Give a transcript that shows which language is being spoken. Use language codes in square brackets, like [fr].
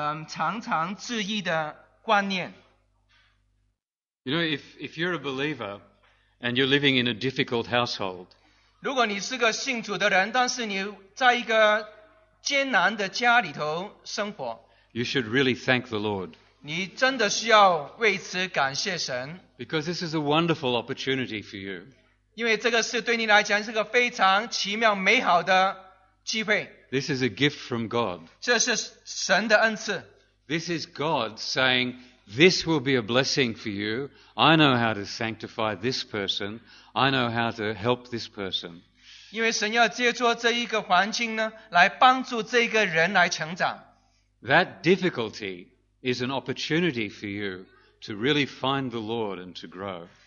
[zh] 另外一个问题就是如何与律法主义的家人相处，如何面对常常质疑的观念。 [en] You know, if you're a believer and you're living in a difficult household, [zh] 如果你是个信主的人，但是你在一个艰难的家里头生活, [en] you should really thank the Lord. [zh] 你真的需要为此感谢神。 [en] Because this is a wonderful opportunity for you. [zh] 因为这个是对你来讲是个非常奇妙美好的机会。 [en] This is a gift from God. [zh] 这是神的恩赐。 [en] This is God saying, this will be a blessing for you. I know how to sanctify this person. I know how to help this person. [zh] 因为神要借助这一个环境呢，来帮助这个人来成长。 [en] That difficulty is an opportunity for you to really find the Lord and to grow.